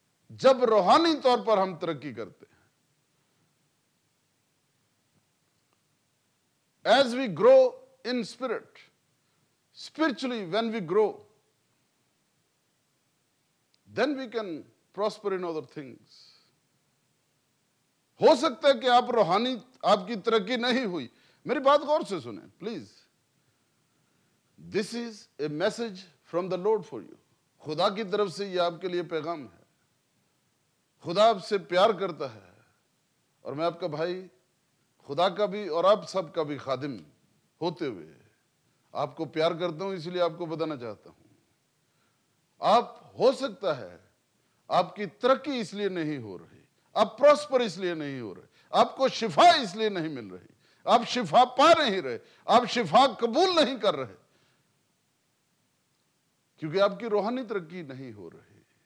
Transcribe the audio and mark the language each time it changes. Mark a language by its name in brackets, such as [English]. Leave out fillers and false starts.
[Hindi] जब रूहानी तौर पर हम तरक्की करते हैं. [English] As we grow in spirit, spiritually when we grow, then we can prosper in other things. [Hindi] हो सकता है कि आप रूहानी, आपकी तरक्की नहीं हुई. मेरी बात गौर से सुने please. [English] This is a message from the Lord for you. [Hindi] खुदा की तरफ से यह आपके लिए पैगाम है. खुदा आपसे प्यार करता है और मैं आपका भाई, खुदा का भी और आप सबका भी खादिम होते हुए आपको प्यार करता हूं, इसलिए आपको बताना चाहता हूं. आप, हो सकता है आपकी तरक्की इसलिए नहीं हो रही, आप प्रॉस्पर इसलिए नहीं हो रहे, आपको शिफा इसलिए नहीं मिल रही, आप शिफा पा नहीं रहे, आप शिफा कबूल नहीं कर रहे, क्योंकि आपकी रूहानी तरक्की नहीं हो रही.